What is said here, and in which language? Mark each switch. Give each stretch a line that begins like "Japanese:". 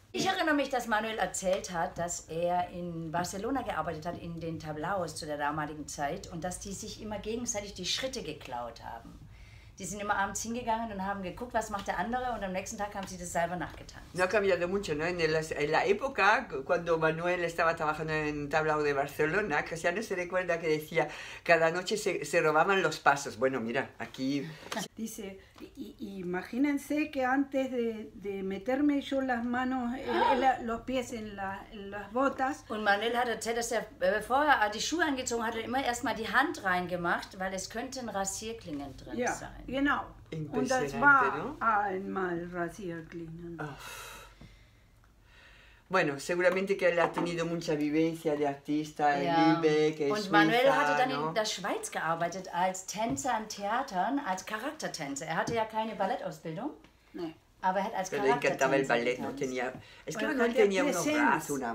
German: Ich erinnere mich, dass Manuel erzählt hat, dass er in Barcelona gearbeitet hat, in den Tablaos zu der damaligen Zeit, und dass die sich immer gegenseitig die Schritte geklaut haben. Die sind immer abends hingegangen und haben geguckt, was macht der andere, und am nächsten Tag haben sie das selber nachgetan.
Spanish: No ha cambiado mucho, ¿no? En la época, cuando Manuel estaba trabajando en Tablao de Barcelona, Cristiano se recuerda que decía, cada noche se robaban los pasos. Bueno, mira, aquí... Dice, imagínense que antes de meterme yo las manos, los pies en las botas...
German: Und Manuel hat erzählt, dass bevor er die Schuhe angezogen hat, immer erstmal die Hand reingemacht, weil es könnten Rasierklingen drin sein. Yeah. Genau. Und das war einmal Rasierklingen.
Spanish: Bueno, seguramente que él ha tenido mucha vivencia de artista en Lübeck, en Suiza.
German: Und Manuel hatte dann in der Schweiz gearbeitet als Tänzer an Theatern, als Charaktertänzer. Er hatte ja keine Ballettausbildung. Nee. Aber er hat als Charaktertänzer.
Spanish: Pero le encantaba el ballet, no tenía. Es que él tenía unos brazos, una